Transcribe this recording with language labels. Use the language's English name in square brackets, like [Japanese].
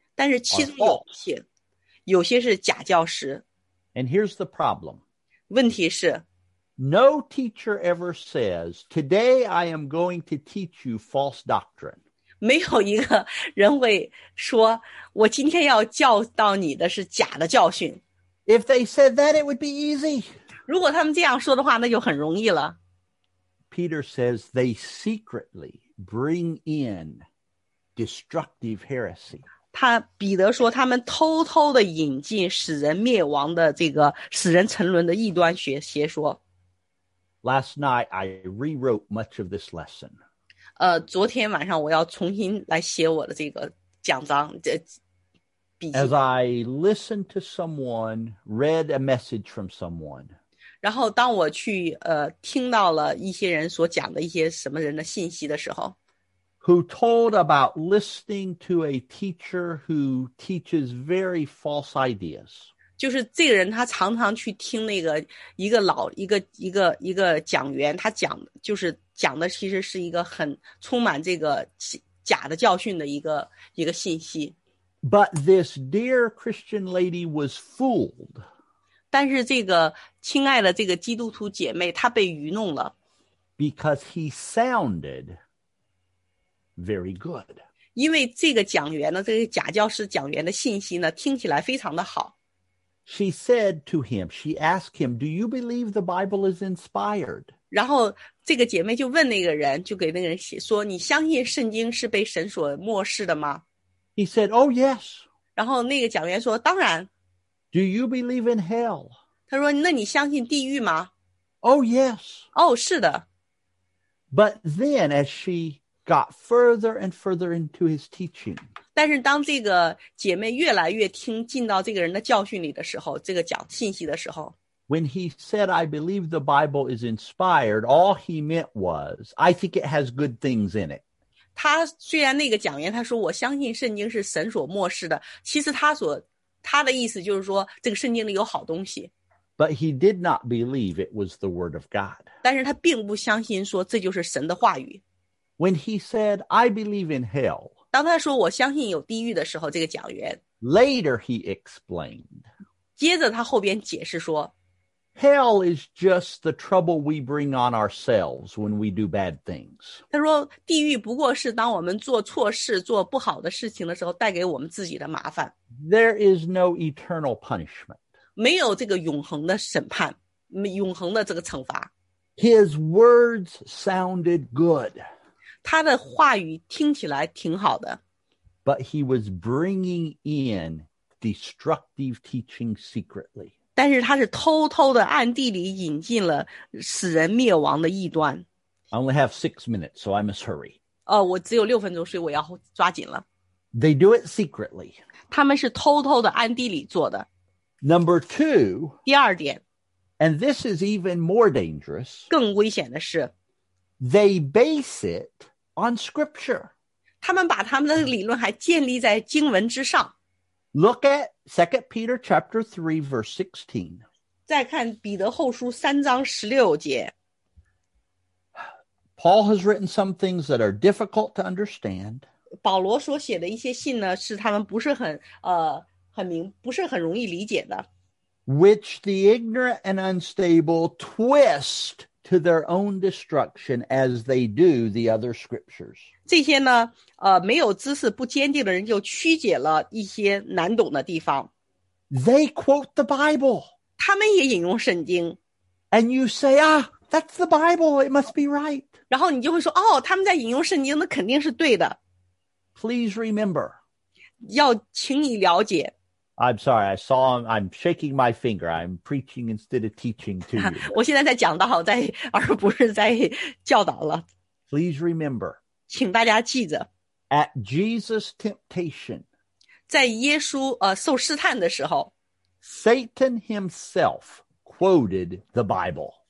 [Chinese] 但是其中有些，有些是假教师。 [English] And here's the problem. [Chinese] 问题是 [English] No teacher ever says, today I am going to teach you false doctrine. [Chinese] 没有一个人会说我今天要教导你的是假的教训。 [English] If they said that, it would be easy. [Chinese] 如果他们这样说的话，那就很容易了。 [English] Peter says they secretly bring in destructive heresy. [Chinese] 他彼得说他们偷偷的引进使人灭亡的这个使人沉沦的异端邪说。 [English] Last night, I rewrote much of this lesson. [Chinese] 昨天晚上我要重新来写我的这个讲章，这笔记。 [English] As I listened to someone, read a message from someone. [Chinese] 然后当我去听到了一些人所讲的一些什么人的信息的时候。 [English] Who told about listening to a teacher who teaches very false ideas. [Chinese] 就是这个人他常常去听那个一个老一个一个一个讲员他讲就是讲的其实是一个很充满这个假的教训的一个信息。 [English] But this dear Christian lady was fooled. [Chinese] 但是这个亲爱的这个基督徒姐妹她被愚弄了。 [English] Because he sounded very good. [Chinese] 因为这个讲员呢这个假教师讲员的信息呢听起来非常的好。 [English] She said to him, she asked him, do you believe the Bible is inspired? [Chinese] 然后这个姐妹就问那个人，就给那个人写说，你相信圣经是被神所默示的吗？ [English] He said, oh yes. [Chinese] 然后那个讲员说，当然。 [English] Do you believe in hell? [Chinese] 他说，那你相信地狱吗？ [English] Oh yes. [Chinese] 哦，是的。 [English] But then as she got further and further into his teaching, [Chinese] 但是当这个姐妹越来越听进到这个人的教训里的时候，这个讲信息的时候。 [English] When he said, I believe the Bible is inspired, all he meant was, I think it has good things in it. [Chinese] 他虽然那个讲员他说我相信圣经是神所默示的，其实他的意思就是说这个圣经里有好东西。 [English] But he did not believe it was the word of God. [Chinese] 但是他并不相信说这就是神的话语。 [English] When he said, I believe in hell, [Chinese] 当他说我相信有地狱的时候，这个讲员。 [English] Later he explained. [Chinese] 接着他后边解释说。 [English] Hell is just the trouble we bring on ourselves when we do bad things. [Chinese] 他说地狱不过是当我们做错事做不好的事情的时候带给我们自己的麻烦。 [English] There is no eternal punishment. [Chinese] 没有这个永恒的审判，永恒的这个惩罚。 [English] His words sounded good. [Chinese] 他的话语听起来挺好的。 [English] But he was bringing in destructive teaching secretly. [Chinese] 但是他是偷偷的暗地里引进了使人灭亡的异端。 [English] I only have 6 minutes, so I must hurry. [Chinese] 我只有6分钟，所以我要抓紧了。 [English] They do it secretly. [Chinese] 他们是偷偷的暗地里做的。 [English] Number two. [Chinese] 第二点。 [English] And this is even more dangerous. [Chinese] 更危险的是, [English] they base it on scripture. [Chinese] 他们把他们的理论还建立在经文之上。 [English] Look at 2 Peter chapter 3 verse 16. [Chinese] 再看彼得后书三章十六节。 [English] Paul has written some things that are difficult to understand. [Chinese] 保罗所写的一些信呢，是他们不是很很明，不是很容易理解的。 [English] Which the ignorant and unstable twist to their own destruction, as they do the other scriptures. [Chinese] 这些呢，没有知识不坚定的人就曲解了一些难懂的地方。 [English] They quote the Bible. [Chinese] 他们也引用圣经。 [English] And you say, ah, that's the Bible. It must be right. [Chinese] 然后你就会说，哦，他们在引用圣经，那肯定是对的。 [English] Please remember. [Chinese] 要请你了解。 [English] I'm sorry, I saw him, I'm shaking my finger. I'm preaching instead of teaching to you. [Chinese] 我现在在讲道，在，而不是在教导了。 [English] Please remember. [Chinese] 请大家记着。 [English] At Jesus' temptation. [Chinese] 在耶稣受试探的时候。 [English] Satan himself quoted the Bible.